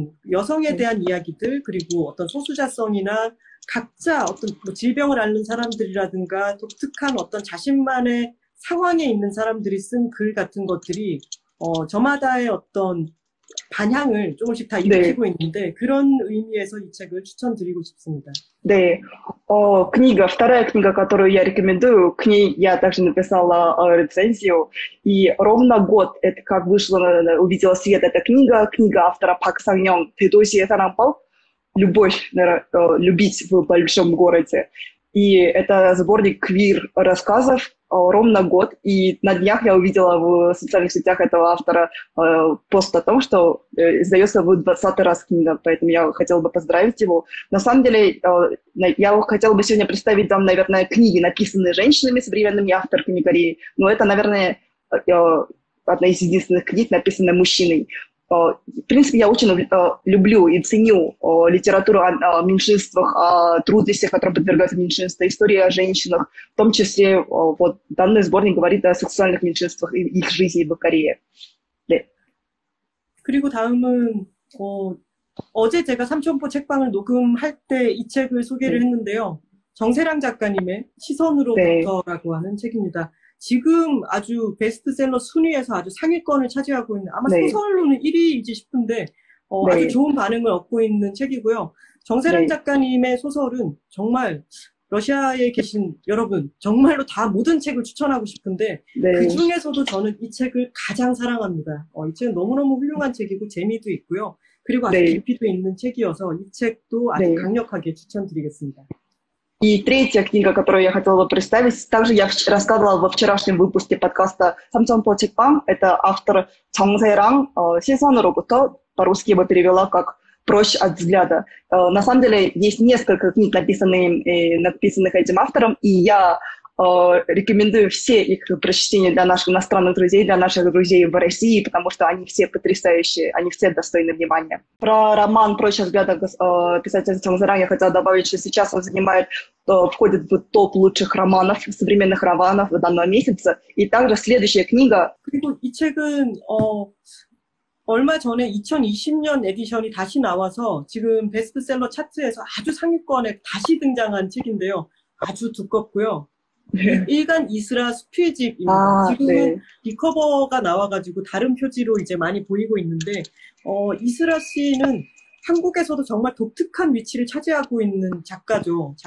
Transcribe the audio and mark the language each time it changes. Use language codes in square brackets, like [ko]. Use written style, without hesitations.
[ko] 여성에 대한 이야기들 그리고 어떤 소수자성이나 각자 어떤 뭐 질병을 앓는 사람들이라든가 독특한 어떤 자신만의 상황에 있는 사람들이 쓴글 같은 것들이 저마다의 어떤 반향을 조금씩 다 일으키고 있는데 그런 의미에서 이 책을 추천드리고 싶습니다. [ru] Книга, вторая книга, которую я рекомендую, к ней я также написала рецензию. И ровно год, это как вышла, увидела свет эта книга, книга автора Пак Сан Йонг, «Тедоси Сарампал», «Любовь, наверное, любить в большом городе». И это сборник квир-рассказов, ровно год. И на днях я увидела в социальных сетях этого автора пост о том, что издается в 20-й раз книга, поэтому я хотела бы поздравить его. На самом деле, я хотела бы сегодня представить вам, наверное, книги, написанные женщинами, современными авторками Кореи. Но это, наверное, одна из единственных книг, написанных мужчиной. В принципе, я очень люблю и ценю литературу о меньшинствах, о трудностях, которые подвергаются меньшинствам, истории о женщинах. В том числе вот данный сборник говорит о сексуальных меньшинствах и их жизни в Корее. [ko] 그리고 다음은 어제 제가 삼천포 책방을 녹음할 때이 책을 소개를 했는데요. 정세랑 작가님의 시선으로부터라고 하는 책입니다. 지금 아주 베스트셀러 순위에서 아주 상위권을 차지하고 있는 아마 소설로는 1위이지 싶은데 아주 좋은 반응을 얻고 있는 책이고요. 정세랑 작가님의 소설은 정말 러시아에 계신 여러분 정말로 다 모든 책을 추천하고 싶은데 그 중에서도 저는 이 책을 가장 사랑합니다. 이 책은 너무너무 훌륭한 책이고 재미도 있고요. 그리고 아주 깊이도 있는 책이어서 이 책도 아주 강력하게 추천드리겠습니다. [ru] И третья книга, которую я хотела бы представить, также я рассказывала во вчерашнем выпуске подкаста «Самсон по чекпам». Это автор Чонг Зайран, «Сезон робота», по-русски его перевела как «Прочь от взгляда». На самом деле есть несколько книг, написанных этим автором, и я Рекомендую все их прочтение для наших иностранных друзей, для наших друзей в России, потому что они все потрясающие, они все достойны внимания. Про роман «Прочь взглядов» писательницы заранее хотела добавить, что сейчас он входит в топ лучших романов, современных романов данного месяца. И также следующая книга. [ko] 그리고 이 책은 얼마 전에 2020년 에디션이 다시 나와서 지금 베스트셀러 차트에서 아주 상위권에 다시 등장한 책인데요. 아주 두껍고요. 일간 이스라 수필집입니다. 아, 지금은 네. 리커버가 나와가지고 다른 표지로 이제 많이 보이고 있는데, 이스라 씨는 한국에서도 정말 독특한 위치를 차지하고 있는 작가죠.